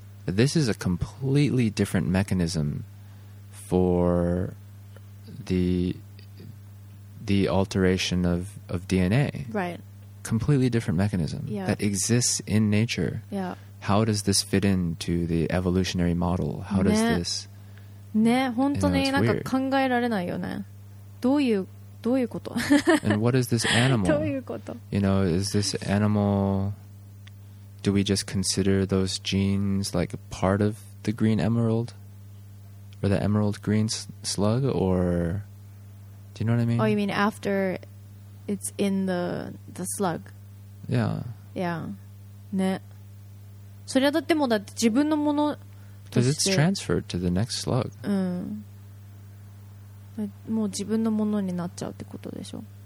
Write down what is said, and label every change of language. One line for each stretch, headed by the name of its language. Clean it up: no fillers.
English: This is a completely different mechanism for the alteration of DNA. Right. Completely different mechanism that exists in nature. Yeah. How does this fit into the evolutionary model? How does this...
Japanese: ね、本当に、なんか考えられないよね。どういうこと?
English: And what is this animal?
Japanese: どういうこと?
English: You know, is this animal... Do we just consider those genes like a part of the green emerald? Or the emerald green slug? Or... Do you know what I mean? Oh, you mean after it's in the slug? Yeah. Yeah. ね。
Japanese: それはだってもだって自分のもの...
English: Because it's transferred to the next slug.
Japanese: もう自分のものになっちゃうってことでしょ?